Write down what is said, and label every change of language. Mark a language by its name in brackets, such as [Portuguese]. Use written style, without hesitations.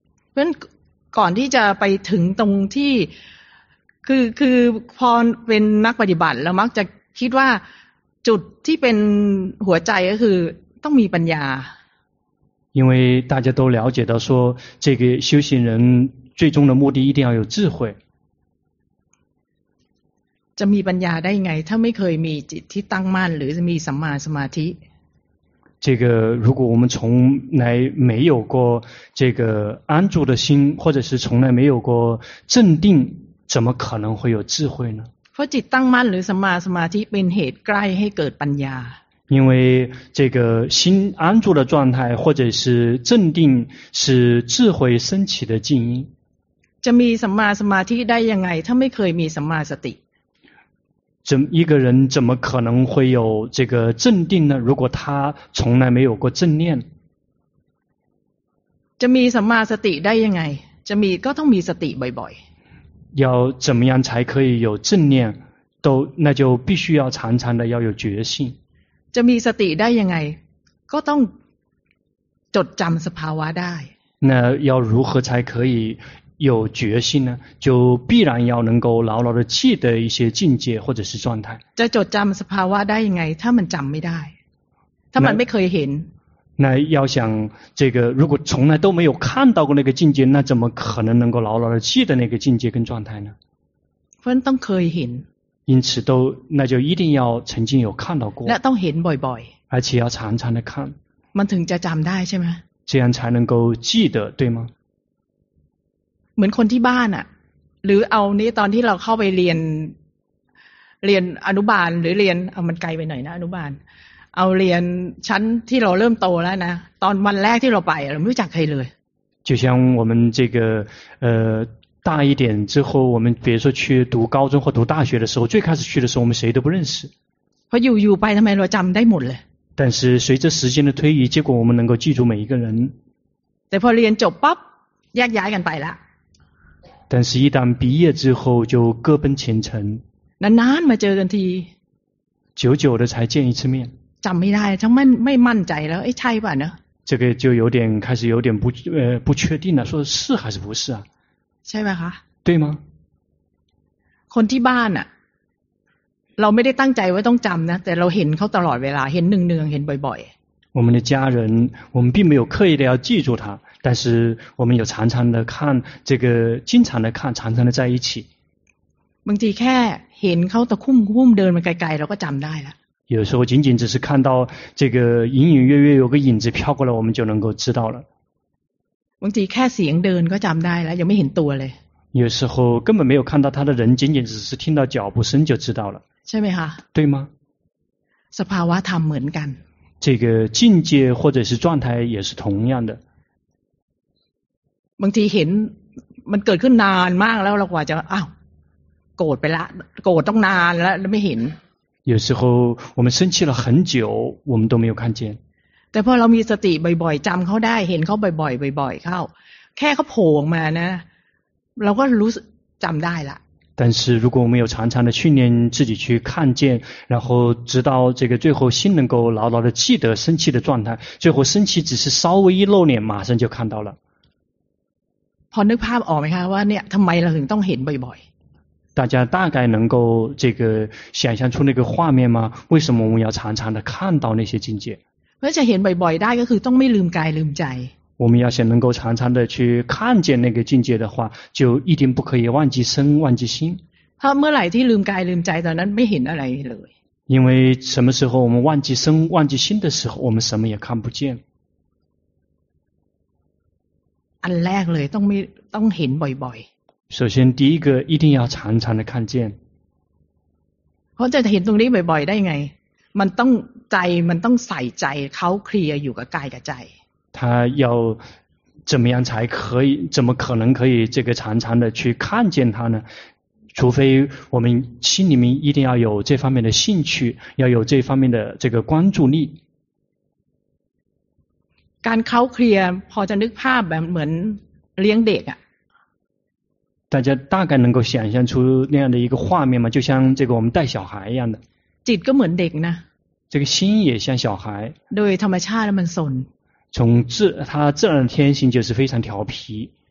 [Thai] เพราะก่อนที่จะไปถึงตรงที่คือพอเป็นนักปฏิบัติแล้วมักจะคิดว่าจุดที่เป็นหัวใจก็คือต้องมีปัญญา [Chinese] 因为大家都了解到说这个修行人最终的目的一定要有智慧 [Thai] จะมีปัญญาได้ไงถ้าไม่เคยมีจิตที่ตั้งมั่นหรือจะมีสัมมาสมาธิ [Chinese] 这个如果我们从来没有过这个安住的心或者是从来没有过镇定怎么可能会有智慧呢 [Thai] 佛จิตตั้งมั่นหรือสัมมาสมาธิเป็นเหตุใกล้ให้เกิดปัญญา [Chinese] 因为这个心安住的状态或者是镇定是智慧升起的静音 [Thai] จะมีสัมมาสมาธิได้ยังไงถ้าไม่เคยมีสัมมาสติ [Chinese] 一个人怎么可能会有这个镇定呢如果他从来没有过正念 [Thai] จะมีสัมมาสติได้ยังไงจะมีก็ต้องมีสติบ่อย [Chinese] ๆ要怎么样才可以有正念都那就必须要常常的要有决心 [Thai] จะมีสติได้ยังไงก็ต้องจดจำสภาวะได้ [Chinese] 那要如何才可以有决心呢，就必然要能够牢牢的记得一些境界或者是状态。 [Thai] จะจดจำสภาวะได้ยังไงถ้ามันจำไม่ได้ถ้ามันไม่เคยเห็น [Chinese] 那要想这个，如果从来都没有看到过那个境界，那怎么可能能够牢牢的记得那个境界跟状态呢？ [Thai] เพราะต้องเคยเห็น [Chinese] 因此都那就一定要曾经有看到过。 [Thai] และต้องเห็นบ่อย [Chinese] ๆ而且要常常的看。 [Thai] มันถึงจะจำได้ใช่ไหม？ [Chinese] 这样才能够记得，对吗？ [Thai] เหมือนคนที่บ้านอ่ะหรือเอานี้ตอนที่เราเข้าไปเรียนอนุบาลหรือเรียนเอามันไกลไปหน่อยนะอนุบาลเอาเรียนชั้นที่เราเริ่มโตแล้วนะตอนวันแรกที่เราไปเราไม่รู้จักใครเลย [Chinese] 就像我们这个大一点之后我们比如说去读高中或读大学的时候最开始去的时候我们谁都不认识 [Thai] พออยู่ๆไปทำไมเราจำได้หมดเลย [Chinese] 但是随着时间的推移结果我们能够记住每一个人 [Thai] แต่พอเรียนจบปั๊บแยกย้ายกันไปละ แต่ [Chinese] 是一旦毕业之后就各奔前程 [Thai] นานๆมาเจอกันที [Chinese] 久久的才见一次面 [Thai] จำไม่ได้ฉันไม่มั่นใจแล้วเอ้ยใช่ป่ะเนอะ [Chinese] 这个就有点开始有点不确定了说是还是不是啊 [Thai] ใช่ป่ะคะ [Chinese] 对吗 [Thai] คนที่บ้านอ่ะเราไม่ได้ตั้งใจว่าต้องจำนะแต่เราเห็นเขาตลอดเวลาเห็นเนืองๆเห็นบ่อย [Chinese] ๆ我们的家人我们并没有刻意的要记住他但是我们有常常的看这个经常的看常常的在一起 [Thai] บางทีแค่เห็นเขาตะคุ่มคุ่มเดินมาไกลๆเราก็จำได้แล้ว [Chinese] 有时候仅仅只是看到这个隐隐约约有个影子飘过来我们就能够知道了 [Thai] บางทีแค่เสียงเดินก็จำได้แล้วยังไม่เห็นตัวเลย [Chinese] 有时候根本没有看到他的人仅仅只是听到脚步声就知道了 [Thai] ใช่ไหมคะ [Chinese] 对吗 [Thai] สภาวะธรรมเหมือนกัน [Chinese] 这个境界或者是状态也是同样的 [Thai] บางทีเห็นมันเกิดขึ้นนานมากแล้วเรากว่าจะอ้าวโกรธไปละโกรธต้องนานแล้วไม่เห็น [Chinese] 有时候我们生气了很久我们都没有看见 [Thai] แต่พอเรามีสติบ่อยๆจำเขาได้เห็นเขาบ่อยๆเข้าแค่เขาโผล่มานะเราก็รู้จำได้ละ [Chinese] 但是如果我们有常常的训练自己去看见然后直到这个最后心能够牢牢的记得生气的状态最后生气只是稍微一露脸马上就看到了 [Thai] พอนึกภาพออกไหมคะว่าเนี่ยทำไมเราถึงต้องเห็นบ่อย [Chinese] ๆ大家大概能够这个想象出那个画面吗为什么我们要常常的看到那些境界 [Thai] เพื่อจะเห็นบ่อยๆได้ก็คือต้องไม่ลืมกายลืมใจ [Chinese] 我们要想能够常常的去看见那个境界的话就一定不可以忘记身忘记心 [Thai] เพราะเมื่อไหร่ที่ลืมกายลืมใจตอนนั้นไม่เห็นอะไรเลย [Chinese] 因为什么时候我们忘记身忘记心的时候我们什么也看不见 [Thai] อันแรกเลยต้องเห็นบ่อย [Chinese] ๆ首先第一个一定要常常的看见 [Thai] เพราะจะเห็นตรงนี้บ่อยๆได้ไงมันต้องใจมันต้องใส่ใจเขาเคลียร์อยู่กับกายกับใจ [Chinese] 他要怎么样才可以怎么可能可以这个常常的去看见他呢除非我们心里面一定要有这方面的兴趣要有这方面的这个关注力 [Thai] การเข้าเคลียร์พอจะนึกภาพแบบเหมือนเลี้ยงเด็กอ่ะ [Chinese] 大家大概能够想象出那样的一个画面嘛就像这个我们带小孩一样的 [Thai] จิตก็เหมือนเด็กนะ [Chinese] 这个心也像小孩 [Thai] โดยธรรมชาติมันสน [Chinese] 从自他自然的天性就是非常调皮